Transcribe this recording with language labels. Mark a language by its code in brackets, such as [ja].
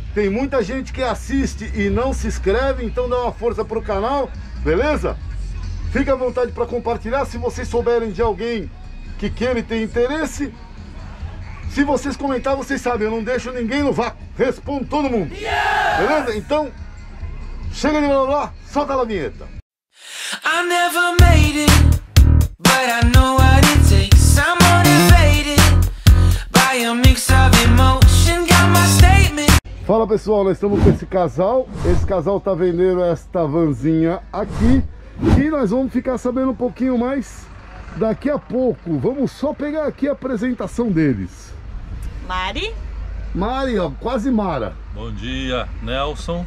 [pt] Tem muita gente que assiste e não se inscreve, então dá uma força pro canal, beleza? Fica à vontade para compartilhar, se vocês souberem de alguém que queira e tem interesse. Se vocês comentar, vocês sabem, eu não deixo ninguém no vácuo, respondo todo mundo, beleza? Então, chega de blá blá, solta a vinheta. [en] I never made it, but I know what it takes. I'm motivated by a mix of emotion, got my statement. [pt] Fala pessoal, nós estamos com esse casal. Esse casal tá vendendo esta vanzinha aqui e nós vamos ficar sabendo um pouquinho mais daqui a pouco. Vamos só pegar aqui a apresentação deles. Mari? Mari, ó, quase Mara. Bom dia, Nelson.